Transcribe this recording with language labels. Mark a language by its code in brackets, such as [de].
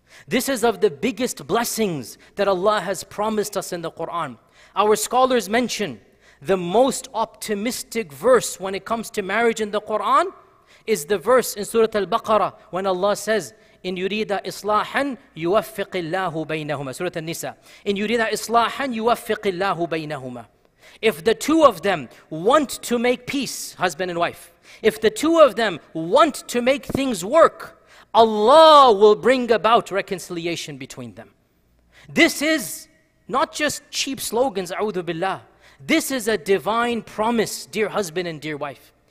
[en] This is of the biggest blessings that Allah has promised us in the Quran. Our scholars mention the most optimistic verse when it comes to marriage in the Quran is the verse in Surah Al-Baqarah when Allah says, [ar] إن يريد إصلاحا يوفق الله بينهما. سورة النساء. إن يريد إصلاحا يوفق الله بينهما. [en] If the two of them want to make peace, husband and wife, if the two of them want to make things work, Allah will bring about reconciliation between them. This is not just cheap slogans, [ar] أعوذ بالله. [en] This is a divine promise, dear husband and dear wife.